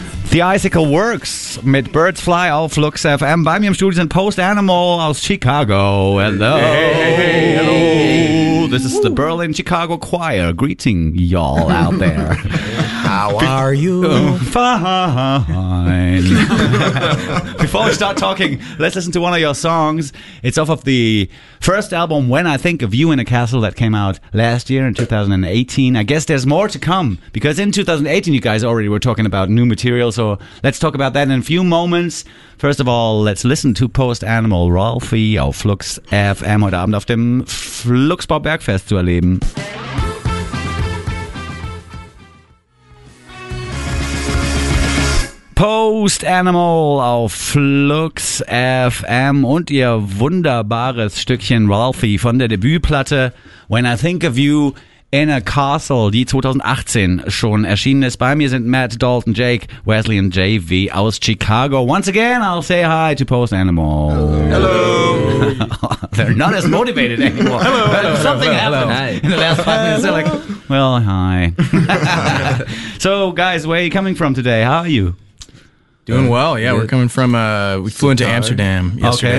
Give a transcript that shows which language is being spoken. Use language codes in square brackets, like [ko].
[de] The Icicle Works mit Birds Fly auf Lux FM. Bei mir im Studio sind Post Animal aus Chicago. [en] Hello. Hey, hey, hello. This is the Berlin Chicago Choir greeting y'all out there. How are you? Fine. Before we start talking, let's listen to one of your songs. It's off of the first album, When I Think of You in a Castle, that came out last year in 2018. I guess there's more to come, because in 2018 you guys already were talking about new material, so let's talk about that in a few moments. First of all, let's listen to [de] Post Animal Rolfie auf Flux FM heute Abend auf dem Fluxbau Bergfest zu erleben. Post Animal auf Flux FM und ihr wunderbares Stückchen Rolfie von der Debütplatte When I Think of You in a Castle, die 2018 schon erschienen ist. Bei mir sind Matt, Dalton, Jake, Wesley und JV aus Chicago. [en] Once again, I'll say hi to Post Animal. Hello. They're not as motivated anymore. Hello. Something hello, happened hello. In the last 5 minutes. Hello. They're like, well, hi. So, guys, where are you coming from today? How are you? Doing well, yeah. We're coming from, we flew into Amsterdam yesterday.